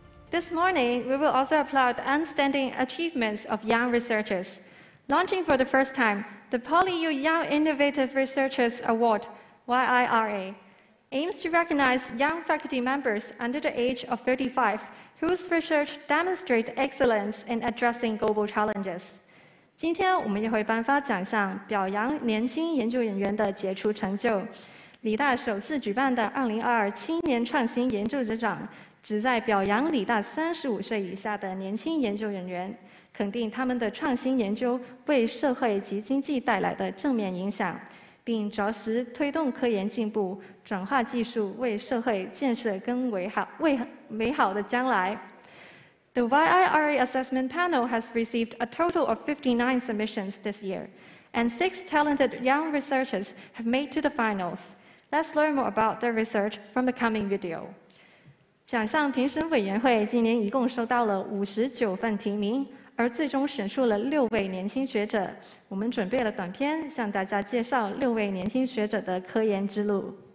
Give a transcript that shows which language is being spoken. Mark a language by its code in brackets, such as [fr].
[en] This morning, we will also applaud the outstanding achievements of young researchers. Launching for the first time, the PolyU Young Innovative Researchers Award, YIRA, aims to recognize young faculty members under the age of 35 whose research demonstrate excellence in addressing global challenges. [zh] 今天我们也会颁发奖项，表扬年轻研究人员的杰出成就。理大首次举办的2022青年创新研究者奖旨在表扬理大35岁以下的年轻研究人员，肯定他们的创新研究为社会及经济带来的正面影响，并着实推动科研进步，转化技术为社会建设更美好的将来。 [en] The YIRA Assessment Panel has received a total of 59 submissions this year, and 6 talented young researchers have made to the finals. Let's learn more about their research from the coming video. [zh] 奖项评审委员会今年一共收到了59份提名，而最终选出了6位年轻学者。我们准备了短片，向大家介绍6位年轻学者的科研之路。